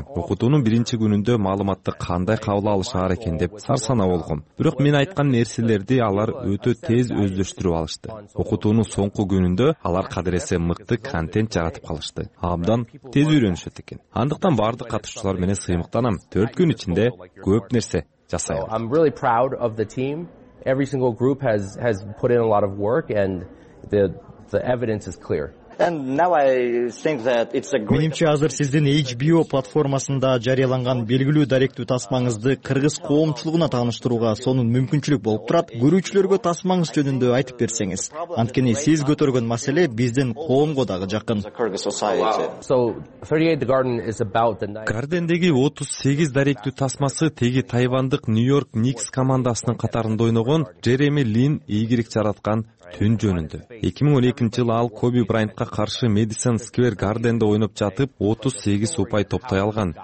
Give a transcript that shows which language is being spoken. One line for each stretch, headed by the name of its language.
Kyrgyz: Окутуунун биринчи күнүндө маалыматты кандай кабыл алышаар экен деп сарсана болгом. Бирок мен айткан нерселерди алар өтө тез өздөштүрүп алышты. Окутуунун соңку күнүндө алар кадыресе мыкты контент жаратып калышты. Абдан тез үйрөнүшөт экен. Андыктан бардык катышуучулар менен сыймыктанам. 4 күн ичинде көп нерсе жасайм.
English: Every single group has put in a lot of work and the evidence is clear. And now I think that it's a great.
Kyrgyz: Менимче азыр сиздин HBO платформасында жарыяланган белгилүү даректүү тасмаңызды кыргыз коомчулугуна тааныштырууга сонун мүмкүнчүлүк болуп турат. Көрүүчүлөргө тасмаңыз жөнүндө айтып берсеңиз. Анткени сиз көтөргөн маселе биздин коомго дагы жакын.
English: So 38 the garden is about the
Kyrgyz: Гардендеги 38 даректүү тасмасы теги тайвандык Нью-Йорк Никс командасынын катарында ойногон Джереми Лин ийгилик жараткан түн жөнүндө. 2012-жылы ал Коби Брайантка каршы Медисон Сквер Гарденде ойноп жатып 38 упай топтой алган.